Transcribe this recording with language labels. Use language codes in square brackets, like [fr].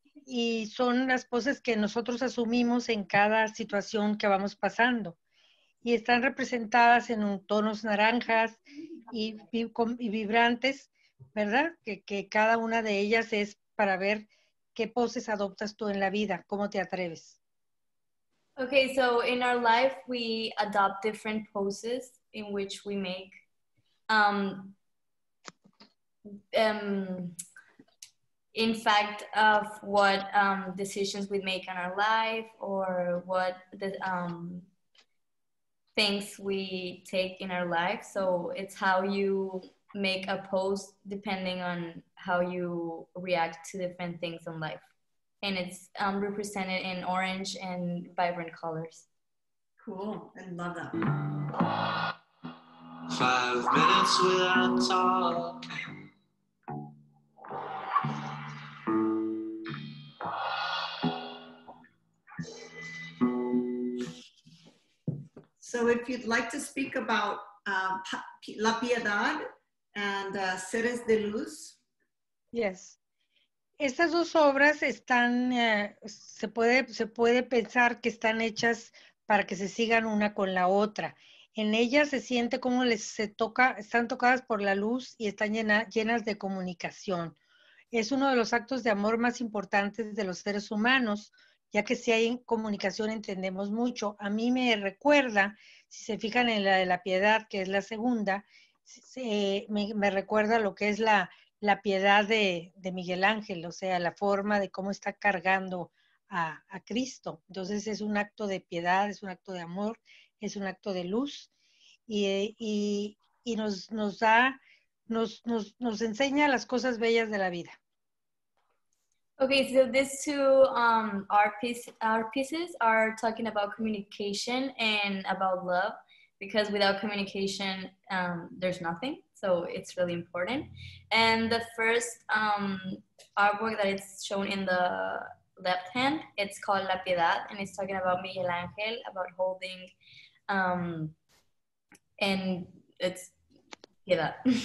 [es] Y son las poses que nosotros asumimos en cada situación que vamos pasando. Y están representadas en tonos naranjas y vibrantes, ¿verdad? Que cada una de ellas es para ver qué poses adoptas tú en la vida, cómo te atreves. [en] Okay, so in our life we adopt different poses in which we make. In fact, of what decisions we make in our life or what the things we take in our life. So it's how you make a pose depending on how you react to different things in life. And it's represented in orange and vibrant colors. Cool, I love that. 5 minutes without talking. So if you'd like to speak about La Piedad and Seres de Luz. Yes. [es] Estas dos obras están, se puede pensar que están hechas para que se sigan una con la otra. En ellas se siente como están tocadas por la luz y están llenas de comunicación. Es uno de los actos de amor más importantes de los seres humanos, ya que si hay comunicación entendemos mucho. A mí me recuerda, si se fijan en la de la piedad, que es la segunda, me recuerda lo que es la piedad de Miguel Ángel, o sea, la forma de cómo está cargando a Cristo. Entonces es un acto de piedad, es un acto de amor, es un acto de luz, y nos enseña las cosas bellas de la vida. [en] Okay, so these two art pieces are talking about communication and about love. because without communication, there's nothing. So it's really important. And the first artwork that is shown in the left hand, it's called La Piedad, and it's talking about Miguel Angel, about holding, and it's Piedad.